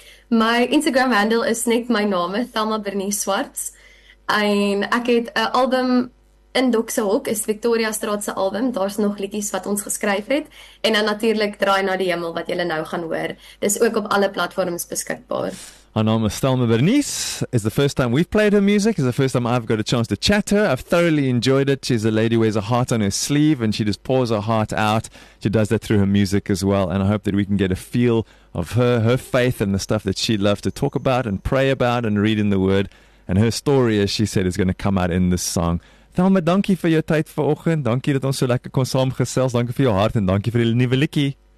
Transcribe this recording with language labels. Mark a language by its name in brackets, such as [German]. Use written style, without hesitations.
[Afrikaans] My Instagram handle is net my naam, Thelma Bernie Swarts. En ek het 'n album in Doksehok, is Victoria Straat se album, daar's nog liedjies wat ons geskryf het, en dan natuurlik Draai na die Hemel, wat julle nou gaan hoor, dis ook op alle platforms beskikbaar. [English] Her name is Thelma Bernice. It's the first time we've played her music. It's the first time I've got a chance to chat to her. I've thoroughly enjoyed it. She's a lady who wears a heart on her sleeve and she just pours her heart out. She does that through her music as well. And I hope that we can get a feel of her, her faith and the stuff that she loves to talk about and pray about and read in the Word. And her story, as she said, is going to come out in this song. [Afrikaans] Thelma, dankie vir jou tyd vanoggend. Dankie dat ons so lekker kon saamgesels. Dankie vir jou hart en dankie vir die nuwe liedjie.